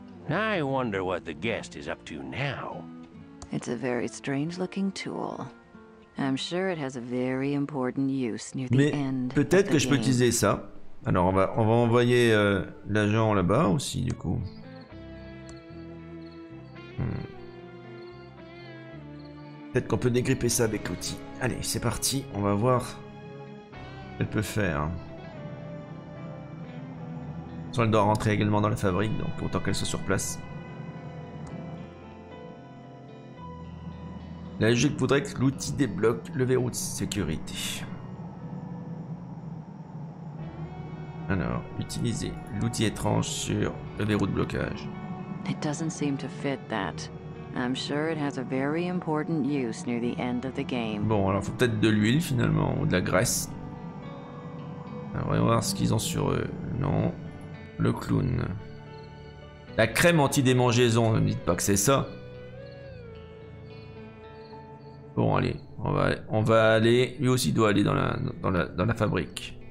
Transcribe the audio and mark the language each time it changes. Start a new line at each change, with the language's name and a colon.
English: I wonder what the guest is up to now. It's a very strange looking tool. I'm sure it has a very important use near the
French: Mais
English: end.
French: Mais peut-être que je peux utiliser ça. Alors on va envoyer l'agent là-bas aussi du coup. Peut-être qu'on peut dégripper ça avec l'outil. Allez, c'est parti, on va voir ce qu'elle peut faire. Elle doit rentrer également dans la fabrique, donc autant qu'elle soit sur place. La logique voudrait que l'outil débloque le verrou de sécurité. Alors, utiliser l'outil étrange sur le verrou de blocage.
English: It doesn't seem to fit that. I'm sure it has a very important use near the end of the game.
French: Bon, alors faut peut-être de l'huile finalement ou de la graisse. Alors, on va voir ce qu'ils ont sur eux. Non. Le clown. La crème anti-démangeaison, ne me dites pas que c'est ça. Bon, allez, on va aller. Lui aussi doit aller dans la fabrique.